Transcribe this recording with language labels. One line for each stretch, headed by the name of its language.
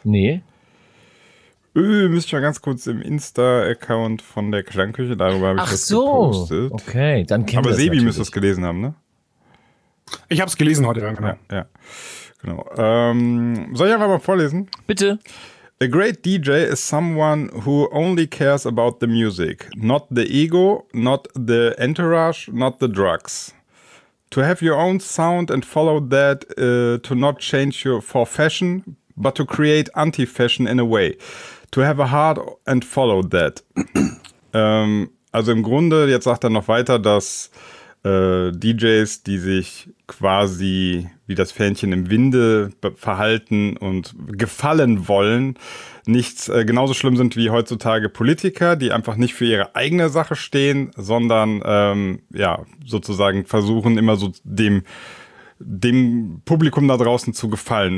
German: Nee. Müsst ihr mal ganz kurz im Insta-Account von der Klangküche, darüber habe ich das gepostet. Ach so, okay, dann kennt ihr es. Aber Sebi müsste es gelesen haben, ne? Ich habe es gelesen heute, dann, genau. Ja, genau. Soll ich einfach mal vorlesen? Bitte.
English: A great DJ is someone who only cares about the music, not the ego, not the entourage, not the drugs. To have your own sound and follow that, to not change your for fashion, but to create anti-fashion in a way. To have a heart and follow that.
German: Also im Grunde, jetzt sagt er noch weiter, dass DJs, die sich quasi wie das Fähnchen im Winde verhalten und gefallen wollen, nichts genauso schlimm sind wie heutzutage Politiker, die einfach nicht für ihre eigene Sache stehen, sondern sozusagen versuchen, immer so dem Publikum da draußen zu gefallen.